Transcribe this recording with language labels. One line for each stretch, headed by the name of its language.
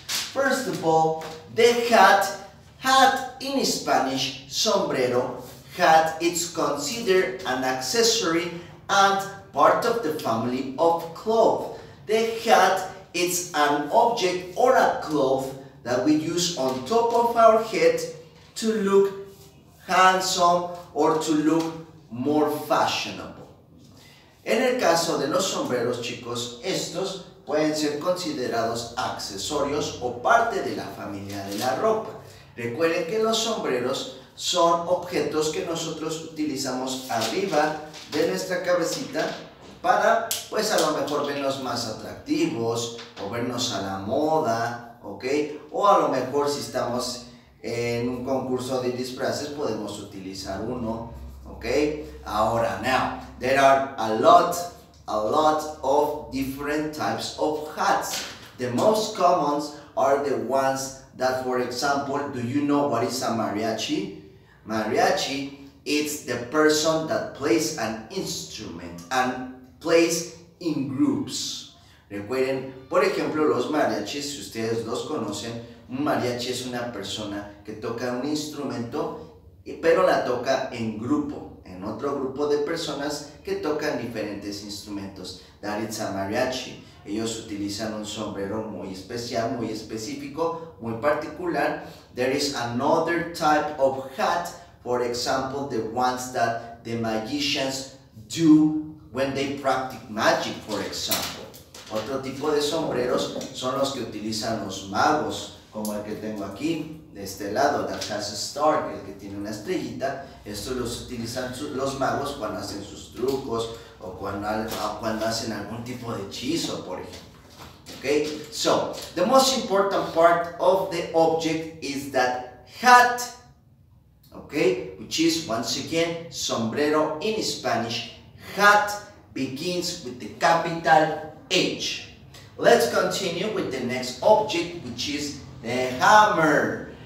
English: First of all, the hat. Hat in Spanish, sombrero, hat is considered an accessory and part of the family of cloth. The hat is an object or a cloth that we use on top of our head to look handsome or to look more fashionable.
Spanish: En el caso de los sombreros, chicos, estos pueden ser considerados accesorios o parte de la familia de la ropa. Recuerden que los sombreros son objetos que nosotros utilizamos arriba de nuestra cabecita para, pues a lo mejor, vernos más atractivos o vernos a la moda, ¿ok? O a lo mejor, si estamos en un concurso de disfraces, podemos utilizar uno, ¿ok?
English: Ahora, now, there are a lot of different types of hats. The most common are the ones that, for example, do you know what is a mariachi? Mariachi is the person that plays an instrument and plays in groups.
Spanish: Recuerden, por ejemplo, los mariachis, si ustedes los conocen, un mariachi es una persona que toca un instrumento, pero la toca en grupo, en otro grupo de personas que tocan diferentes instrumentos.
English: That is a mariachi.
Spanish: Ellos utilizan un sombrero muy especial, muy específico, muy particular.
English: There is another type of hat, for example, the ones that the magicians do when they practice magic, for example.
Spanish: Otro tipo de sombreros son los que utilizan los magos, como el que tengo aquí, de este lado,
English: that has a star,
Spanish: el que tiene una estrellita. Estos los utilizan los magos cuando hacen sus trucos, o cuando hacen algún tipo de hechizo, por ejemplo.
English: Okay? So, the most important part of the object is that hat, okay, which is, once again, sombrero in Spanish. Hat begins with the capital H. Let's continue with the next object, which is the hammer.